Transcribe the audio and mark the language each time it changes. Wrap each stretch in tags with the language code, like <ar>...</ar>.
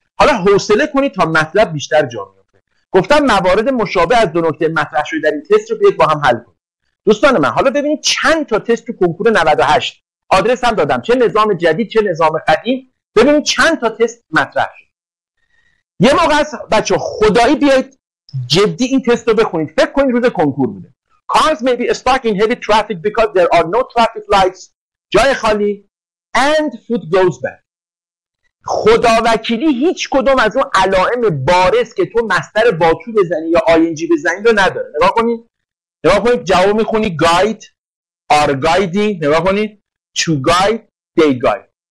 <fa>حالا حوصله کنی تا مطلب بیشتر جا میفته. گفتم موارد مشابه از دو نکته مطرح شده در این تست رو بیاید با هم حل کنیم. دوستان من، حالا ببینید چند تا تست تو کنکور 98 آدرس هم دادم، چه نظام جدید چه نظام قدیم، ببینید چند تا تست مطرح شد. یه موقع از بچه خدایی بیاید جدی این تست رو بخونید، فکر کنید روز کنکور بوده.</fa> <en>Cars may be stuck in heavy traffic because there are no traffic lights.</en> <fa>جای خالی</fa> <en>and food goes bad.</en> <fa>خدا وکیلی هیچ کدوم از اون علائم بارز که تو مستر باتو بزنی یا آینجی بزنی رو نداره. نگاه کنید، نگاه کنید، جواب میخونی</fa> <en>guide or guiding،</en> <fa>نگاه کنید</fa> <en>to guide they guide.</en>